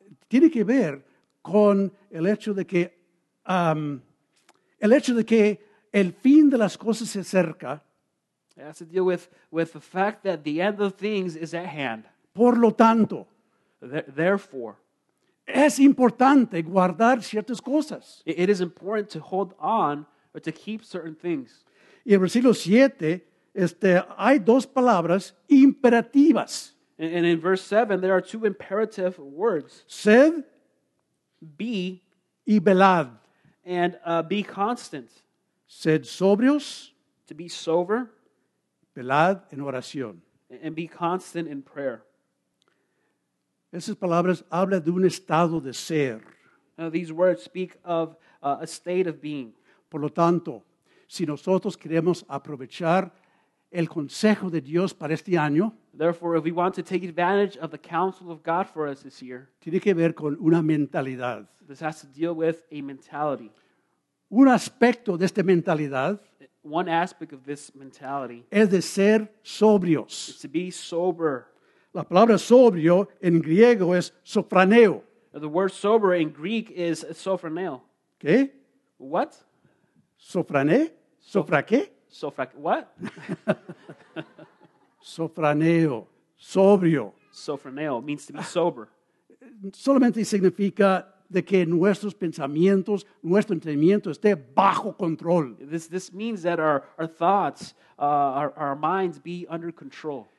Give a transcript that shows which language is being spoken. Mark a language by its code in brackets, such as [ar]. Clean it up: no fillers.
[es] Tiene que ver con el hecho de que el fin de las cosas se acerca. [en] It has to deal with the fact that the end of things is at hand. [es] Por lo tanto. [en] Therefore, [es] es importante guardar ciertas cosas. [en] It is important to hold on or to keep certain things. [es] Y en versículo 7, hay dos palabras imperativas. [en] And in verse 7, there are two imperative words. [es] Sed, [en] be, [es] y velad. [en] And be constant. [es] Sed sobrios. [en] To be sober. [es] Velad en oración. [en] And be constant in prayer. [es] Esas palabras hablan de un estado de ser. [en] Now, these words speak of a state of being. [es] Por lo tanto, si nosotros queremos aprovechar el consejo de Dios para este año, [en] therefore, if we want to take advantage of the counsel of God for us this year, [es] tiene que ver con una mentalidad. [en] This has to deal with a mentality. [es] Un aspecto de esta mentalidad, [en] one aspect of this mentality, [es] es de ser sobrios. [en] It's to be sober. [es] La palabra sobrio en griego es sofraneo. [en] The word sober in Greek is sofraneo. [es] ¿Qué? [en] What? [es] ¿Sofrané? ¿Sofra qué? [en] ¿Sofra what? [es] Sofraneo, sobrio. [en] Sofraneo means to be sober. [es] Solamente significa de que nuestros pensamientos, nuestro entendimiento esté bajo control. [en] This means that our thoughts, our minds be under control.